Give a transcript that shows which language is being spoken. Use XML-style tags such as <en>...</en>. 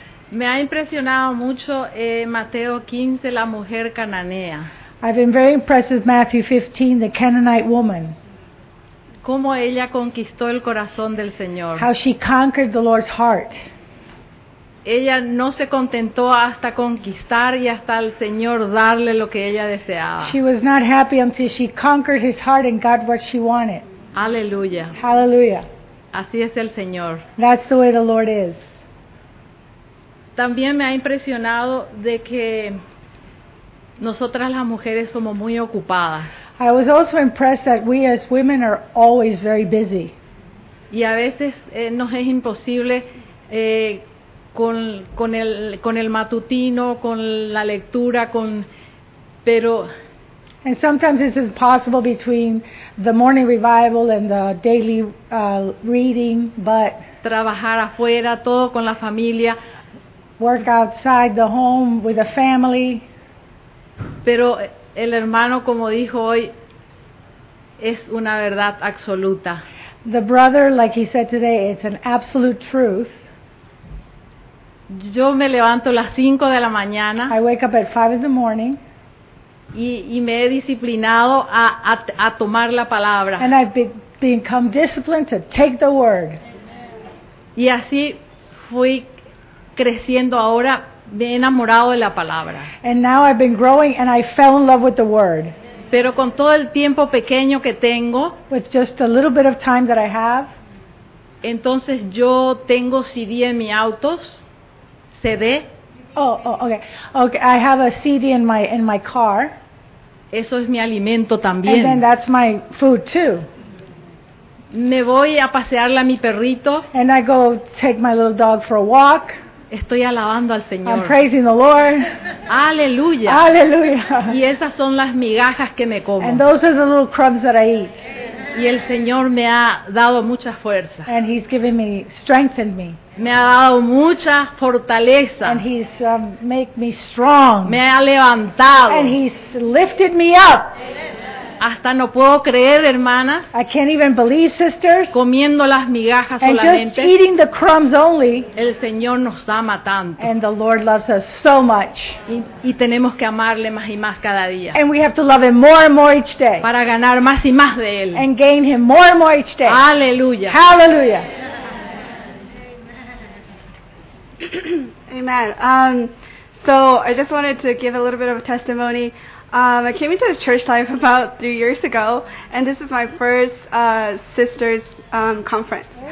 <es>Me ha impresionado mucho Mateo 15, la mujer cananea.</es> <en>I've been very impressed with Matthew 15, the Canaanite woman.</en> <es>Cómo ella conquistó el corazón del Señor.</es> <en>How she conquered the Lord's heart.</en> <es>Ella no se contentó hasta conquistar y hasta el Señor darle lo que ella deseaba.</es> <en>She was not happy until she conquered his heart and got what she wanted.</en> <es>Aleluya.</es> <en>Hallelujah.</en> <es>Así es el Señor.</es> <en>That's the way the Lord is.</en> <es>También me ha impresionado de que nosotras las mujeres somos muy ocupadas.</es> <en>I was also impressed that we as women are always very busy.</en> <es>Y a veces nos es imposible con el matutino, con la lectura, con pero.</es> <en>And sometimes it's impossible between the morning revival and the daily reading, but.</en> <es>trabajar afuera, todo con la familia.</es> <en>Work outside the home with the family.</en> <es>Pero el hermano, como dijo hoy, es una verdad absoluta.</es> <en>The brother, like he said today, it's an absolute truth.</en> <es>Yo me levanto a las 5 de la mañana.</es> <en>I wake up at 5 in the morning.</en> <es>Y me he disciplinado a tomar la palabra.</es> <en>And I've become disciplined to take the word.</en> <es>Y así fui creciendo ahora, me he enamorado de la palabra.</es> <en>And now I've been growing and I fell in love with the word.</en> <es>Pero con todo el tiempo pequeño que tengo,</es> <en>with just a little bit of time that I have,</en> <es>entonces yo tengo CD en mi auto, CD.</es> <en>Okay. I have a CD in my car.</en> <es>Eso es mi alimento también.</es> <en>And then that's my food too.</en> <es>Me voy a pasearla a mi perrito.</es> <en>And I go take my little dog for a walk.</en> <es>Estoy alabando al Señor.</es> <en>I'm praising the Lord.</en> <es>Aleluya. Aleluya. Y esas son las migajas que me como.</es> <en>And those are the little crumbs that I eat.</en> <es>Y el Señor me ha dado mucha fuerza.</es> <en>And he's given me, strengthened me.</en> <es>Me ha dado mucha fortaleza.</es> <en>And he's made me strong.</en> <es>Me ha levantado.</es> <en>And he's lifted me up.</en> <es>Hasta no puedo creer, hermanas.</es> <en>I can't even believe, sisters.</en> <es>Comiendo las migajas</es> <en>and</en> <es>solamente.</es> <en>And just eating the crumbs only.</en> <es>El Señor nos ama tanto.</es> <en>And the Lord loves us so much.</en> <es>Y tenemos que amarle más y más cada día.</es> <en>And we have to love him more and more each day.</en> <es>Para ganar más y más de él.</es> <en>And gain him more and more each day.</en> <es>Aleluya.</es> <en>Hallelujah. Amen. So I just wanted to give a little bit of a testimony. I came into the church life about 3 years ago, and this is my first sisters conference.</en>